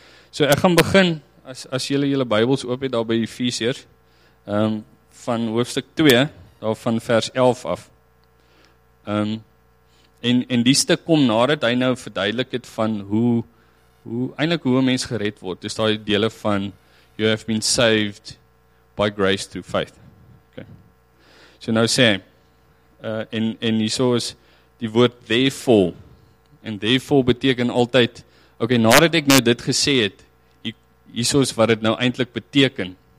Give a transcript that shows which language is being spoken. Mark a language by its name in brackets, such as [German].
[Afrikaans] So ek gaan begin as julle julle Bybels oop het daar by Efesiërs van hoofstuk 2 daar van vers 11 af. En die stuk kom nadat hy nou verduidelik het van hoe 'n mens gered word. Dis daai dele van [English] you have been saved by grace through faith. [Afrikaans] Okay. So nou sê en hierso is die woord therefore. En therefore beteken altyd, okay, nadat ek nou dit gesê het, hierso is wat dit nou eintlik beteken.